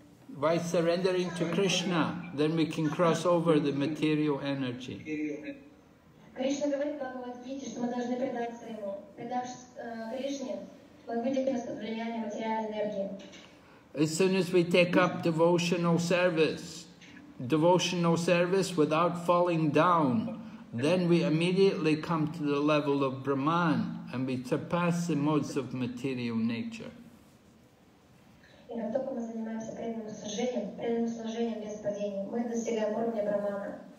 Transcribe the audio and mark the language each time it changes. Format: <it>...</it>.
<en>By surrendering to Krishna, then we can cross over the material energy.</en> <ru>Krishna говорит в Бхагавад-гите, что мы должны предаться ему. Предавшись Кришне, мы выйдем из-под влияния материальной энергии.</ru> <en>As soon as we take up devotional service without falling down, then we immediately come to the level of Brahman and we surpass the modes of material nature.</en> <ru>И как только мы занимаемся преданным служением без падения, мы достигаем уровня Брахмана.</ru>